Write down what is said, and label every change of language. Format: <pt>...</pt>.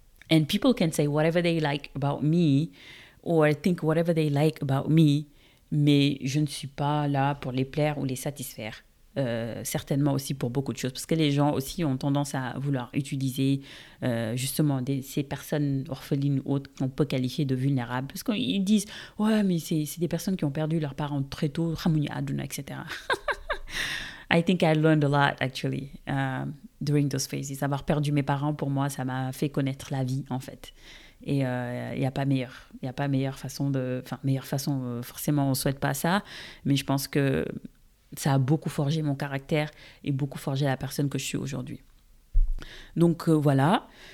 <en>And people can say whatever they like about me, or think whatever they like about me,</en> <fr>mais je ne suis pas là pour les plaire ou les satisfaire. Certainement aussi pour beaucoup de choses parce que les gens aussi ont tendance à vouloir utiliser justement ces personnes orphelines ou autres qu'on peut qualifier de vulnérables parce qu'ils disent ouais mais c'est des personnes qui ont perdu leurs parents très tôt, Ramunia Aduna, etc.</fr> <en>I think I learned a lot actually during those phases.</en> <fr>Avoir perdu mes parents, pour moi, ça m'a fait connaître la vie en fait. Et il n'y a pas meilleure façon, forcément on ne souhaite pas ça, mais je pense que ça a beaucoup forgé mon caractère et beaucoup forgé la personne que je suis aujourd'hui. Donc voilà.</fr>